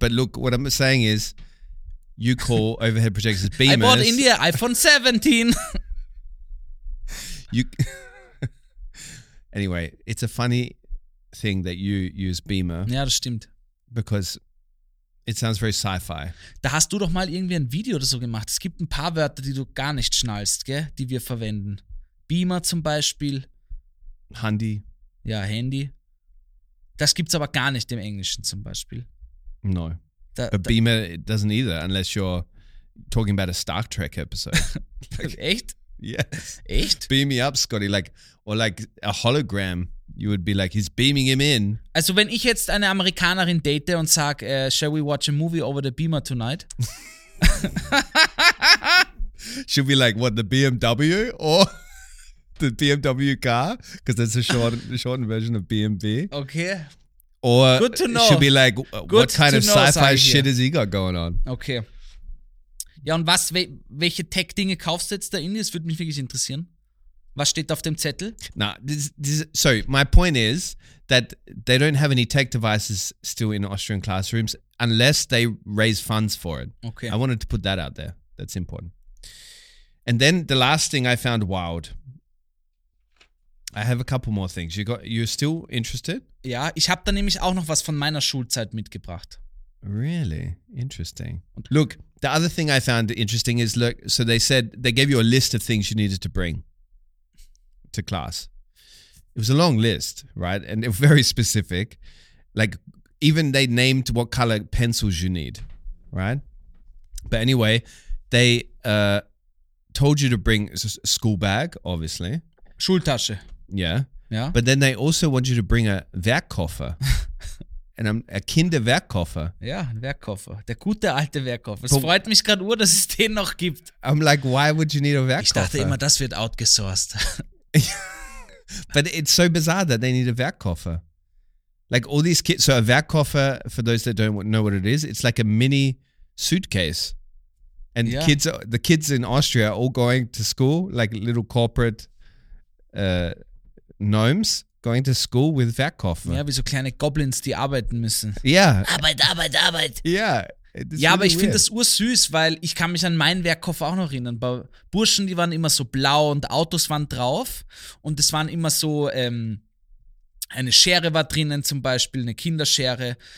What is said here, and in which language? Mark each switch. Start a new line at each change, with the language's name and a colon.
English: But look, what I'm saying is, you call overhead projectors beamers. I bought in the iPhone 17. You. Anyway, it's a funny thing that you use beamer.
German: Ja, das stimmt.
English: Because it sounds very sci-fi.
German: Da hast du doch mal irgendwie ein Video oder so gemacht. Es gibt ein paar Wörter, die du gar nicht schnallst, gell? Die wir verwenden. Beamer zum Beispiel. Handy. Ja, Handy. Das gibt's aber gar nicht im Englischen zum Beispiel.
English: No. But Beamer doesn't either, unless you're talking about a Star Trek episode.
German: Like, echt?
English: Yes.
German: Echt?
English: Beam me up, Scotty. Like, or like a hologram. You would be like, he's beaming him in.
German: Also wenn ich jetzt eine Amerikanerin date und sag,
English: shall we watch a movie over the beamer tonight? She'll be like, what, the BMW or the BMW car? Because that's a short version of BMW. Okay. Or good to know. She'll be like, what kind of sci-fi shit has he got going on? Okay.
German: Ja, und was, welche Tech-Dinge kaufst du jetzt da in? Das würde mich wirklich interessieren. Was steht auf dem Zettel?
English: Nah, so my point is that they don't have any tech devices still in Austrian classrooms unless they raise funds for it. Okay. I wanted to put that out there. That's important. And then the last thing I found wild. I have a couple more things. You're still interested?
German: Ja, ich habe da nämlich auch noch was von meiner Schulzeit mitgebracht.
English: Really? Interesting. Look, the other thing I found interesting is, look, so they said, they gave you a list of things you needed to bring to class. It was a long list, right? And it was very specific. Like, even they named what color pencils you need, right? But anyway, they told you to bring a school bag, obviously.
German: Schultasche.
English: Yeah. Yeah. But then they also want you to bring a Werkkoffer. And I'm a Kinderwerkkoffer.
German: Ja, Werkkoffer. Der gute alte Werkkoffer. Es freut mich gerade nur, dass es den noch gibt.
English: I'm like, why would you need a Werkkoffer?
German: Ich dachte immer, das wird outgesourced.
English: But it's so bizarre that they need a Werkkoffer. Like all these kids. So a Werkkoffer, for those that don't know what it is, it's like a mini suitcase. And yeah, the kids in Austria are all going to school, like little corporate gnomes. Going to school with Werkkoffer.
German: Ja, wie so kleine Goblins, die arbeiten müssen. Ja. Yeah. Arbeit, Arbeit, Arbeit. Ja. Yeah, ja, really, aber ich finde das ursüß, weil ich kann mich an meinen Werkkoffer auch noch erinnern. Bei Burschen, die waren immer so blau und Autos waren drauf. Und es waren immer so, eine Schere war drinnen zum Beispiel, eine Kinderschere.